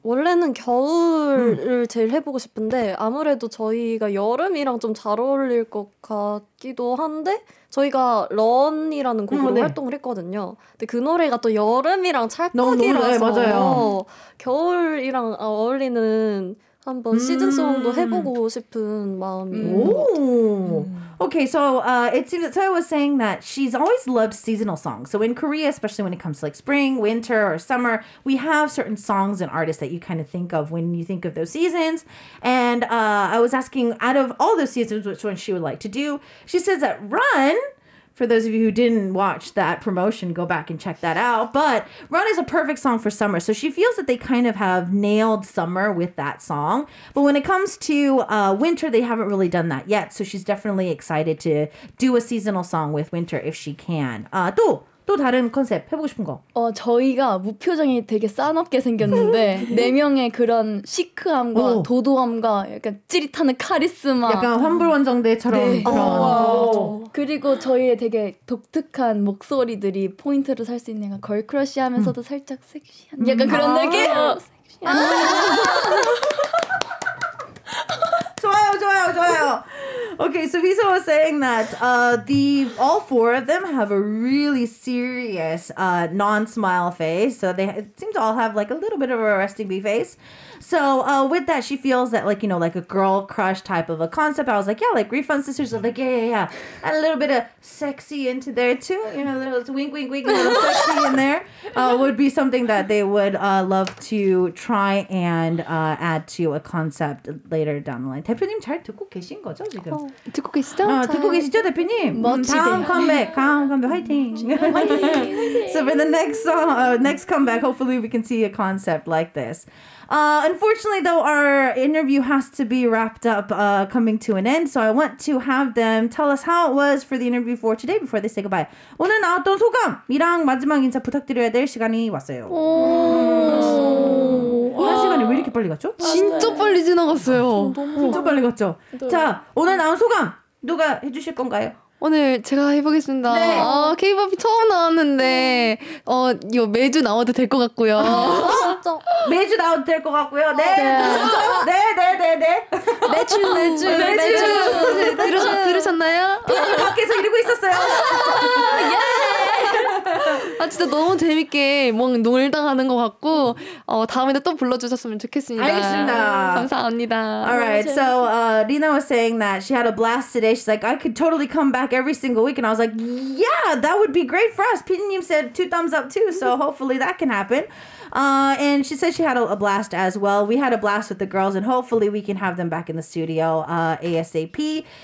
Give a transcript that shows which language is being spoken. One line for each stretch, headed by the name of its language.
Korean: 원래는 겨울을 제일 해보고 싶은데 아무래도 저희가 여름이랑 좀 잘 어울릴 것 같기도 한데 저희가 런이라는 곡으로 활동을 했거든요. 근데 그 노래가 또 여름이랑 찰떡이라서 네, 겨울이랑 어울리는 한번 시즌송도 해보고 싶은 마음이에요.
English: Okay, so it seems that Soe was saying that she's always loved seasonal songs. So in Korea, especially when it comes to like spring, winter, or summer, we have certain songs and artists that you kind of think of when you think of those seasons. And I was asking, out of all those seasons, which one she would like to do? She says that Run, for those of you who didn't watch that promotion, go back and check that out. But Run is a perfect song for summer. So she feels that they kind of have nailed summer with that song. But when it comes to winter, they haven't really done that yet. So she's definitely excited to do a seasonal song with winter if she can.
Korean: 또 다른 컨셉 해보고 싶은 거? 저희가 무표정이 되게 싸납게 생겼는데 네 명의 그런 시크함과 오. 도도함과 약간 찌릿하는 카리스마 약간 환불원정대처럼 네. 그런 그리고 저희의 되게 독특한 목소리들이 포인트로 살 수 있는 걸크러쉬 하면서도 살짝 섹시한 약간 그런 느낌? 섹시한 좋아요 좋아요 좋아요
English: Okay, so Visa was saying that all four of them have a really serious non-smile face. So they seem to all have like a little bit of a resting bee face. So with that, she feels that like, you know, like a girl crush type of a concept. I was like, yeah, like Refund Sisters are like, yeah. Add a little bit of sexy into there too. You know, a little wink, wink, wink, a little sexy in there would be something that they would love to try and add to a concept later down the line.
Korean: 대표님 잘 듣고 계신 거죠, 지금? 듣고 계시죠? 듣고 계시죠, 대표님? 다음 컴백, 다음 컴백, 화이팅! 화이팅!
English: So for the next song, next comeback, hopefully we can see a concept like this. Unfortunately, though, our interview has to be wrapped up coming to an end, so I want to have them tell us how it was for the interview for today before they say goodbye.
Korean: 오늘 나왔던 소감이랑 마지막 인사 부탁드려야 될 시간이 왔어요. 시간이 왜 이렇게 빨리 갔죠? 진짜 빨리 지나갔어요. 진짜 빨리 갔죠? 자, 오늘 나온 소감 누가 해주실 건가요? 오늘 제가 해보겠습니다. 네. 케이팝이 처음 나왔는데 이거 매주 나와도 될 것 같고요. 진짜 매주 나와도 될 것 같고요. 네. 네. 매주 들으셨나요? 밖에서 이러고 있었어요. 예. 아 진짜 너무 재밌게 막 놀다 가는 것 같고 다음에도 또 불러주셨으면 좋겠습니다. 알겠습니다. 감사합니다.
English: Alright, so Rina was saying that she had a blast today. She's like, I could totally come back every single week. And I was like, yeah, that would be great for us. PD님 said two thumbs up too, so hopefully that can happen. And she said she had a blast as well. We had a blast with the girls, and hopefully we can have them back in the studio ASAP.